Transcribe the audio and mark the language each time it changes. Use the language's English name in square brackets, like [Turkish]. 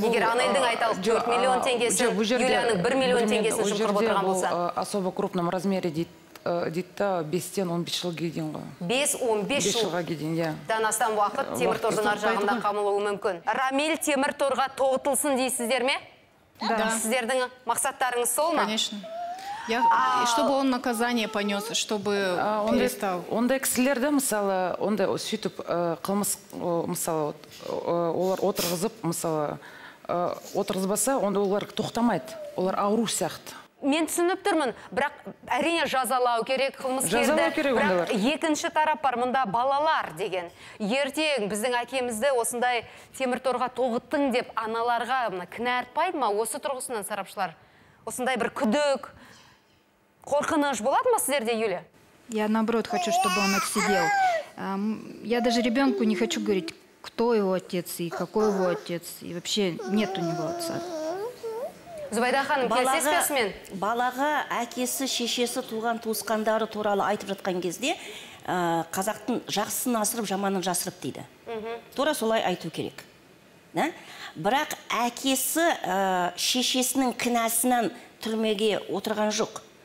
[Kazakh] егер Анельдің айталық 4 миллион теңгесі, Юлияның 1 миллион теңгесін жұмқырып отырған болса. [Russian] Особо крупном размере [Kazakh] дейді 5-10 жылға дейін ғой. 5-15 жылға дейін, иә. Дан астам уақыт темір торғының ар жағында қамылуы мүмкін. Рамиль темір торға тоғытылсын дейсіздер ме? [Russian] Да. [Kazakh] Сіздердің мақсаттарыңыз сол ма? [Russian] Конечно. Чтобы он наказание понес, чтобы он перестал. [Kazakh] Он да экслер, да, мысалы, он да сөйтіп, қылмыс, мысалы, олар отырғызып, мысалы, отырғызбаса, он да олар тоқтамайды, олар ауру сияқты. Мен түсініп тұрмын, бірақ әрине жазалау керек қылмыскерді, бірақ екінші тарап бар, мында балалар деген. Ертең біздің әкемізді осындай темір торға тоғыттың деп аналарға кінә артпайды ма? Осы тұрғысынан сарапшылар, осындай бір күдік, қорқыныш болады ма сіздерде, Юля? [Russian] Я наоборот хочу, чтобы он отсидел. Я даже ребенку не хочу говорить, кто его отец и какой его отец. И вообще нет у него отца. [Kazakh] Зубайда ханым, келісесіз бе сізбен? Балаға әкесі, шешесі, туған туысқандары туралы айтып жатқан кезде, қазақтың жақсысын асырып, жаманын жасырып дейді. Тура солай айту керек. Бірақ әкесі шешесінің кінәсінен түрмеге отырған жоқ.